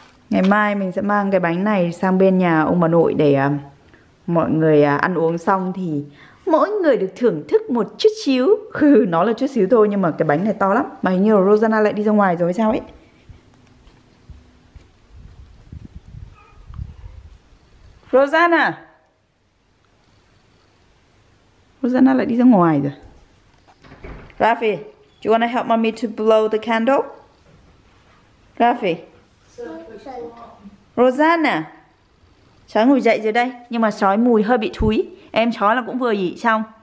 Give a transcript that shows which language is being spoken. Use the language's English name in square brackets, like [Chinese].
[Vietnamese] Ngày mai mình sẽ mang cái bánh này sang bên nhà ông bà nội để mọi người ăn uống xong thì mỗi người được thưởng thức một chút xíu. Nó là chút xíu thôi nhưng mà cái bánh này to lắm. Mà hình như là Rosanna lại đi ra ngoài rồi sao ấy. Rosanna lại đi ra ngoài rồi. [English] Rafi, do you want to help mommy to blow the candle? Rafi? Rosanna? [Vietnamese] Sói ngủ dậy rồi đây, nhưng mà sói mùi hơi bị thúi. Em sói là cũng vừa dị xong.